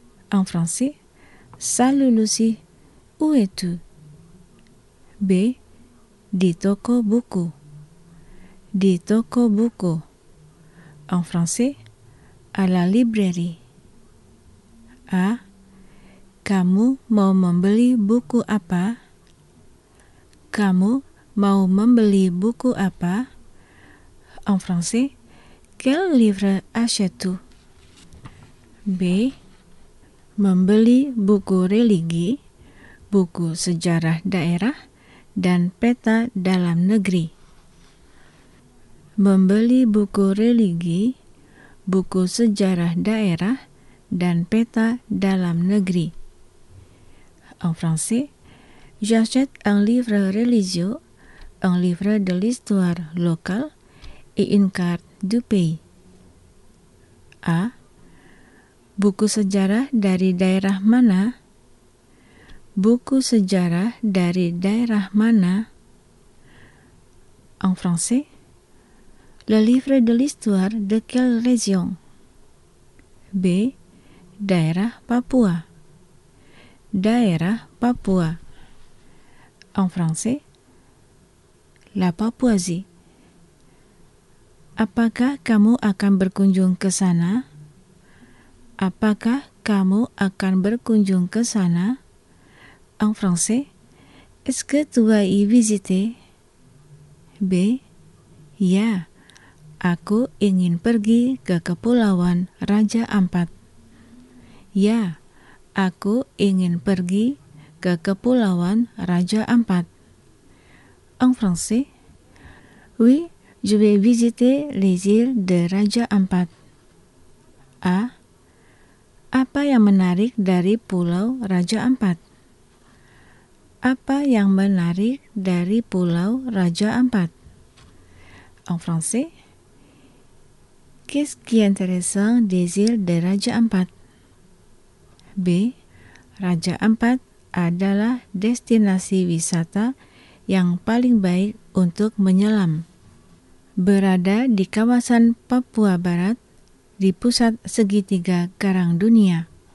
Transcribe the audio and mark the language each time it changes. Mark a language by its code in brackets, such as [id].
[fr] En français, salut Lucy, où es-tu? B. [id] Di toko buku. Di toko buku. [fr] En français, à la librairie. A. [id] Kamu mau membeli buku apa? Kamu mau membeli buku apa? [fr] En français, quel livre achètes-tu? [id] B. Membeli buku religi, buku sejarah daerah, dan peta dalam negeri. Membeli buku religi, buku sejarah daerah, dan peta dalam negeri. [fr] En français, j'achète un livre religieux, un livre de l'histoire locale et une carte du pays. [id] A. Buku sejarah dari daerah mana? Buku sejarah dari daerah mana? [fr] En français, Le livre de l'histoire de quelle région? B. [id] Daerah Papua. Daerah Papua. [fr] En français, la Papouasie. [id] Apakah kamu akan berkunjung ke sana? Apakah kamu akan berkunjung ke sana? [fr] En français, est-ce que tu vas y visiter? B. [id] Ya, aku ingin pergi ke Kepulauan Raja Ampat. Ya, aku ingin pergi ke Kepulauan Raja Ampat. [fr] En français, oui, je vais visiter les îles de Raja Ampat. A. [id] Apa yang menarik dari Pulau Raja Ampat? Apa yang menarik dari Pulau Raja Ampat? [fr] En français, qu'est-ce qui est intéressant des îles de Raja Ampat? B. [id] Raja Ampat adalah destinasi wisata yang paling baik untuk menyelam. Berada di kawasan Papua Barat, di pusat segitiga karang dunia.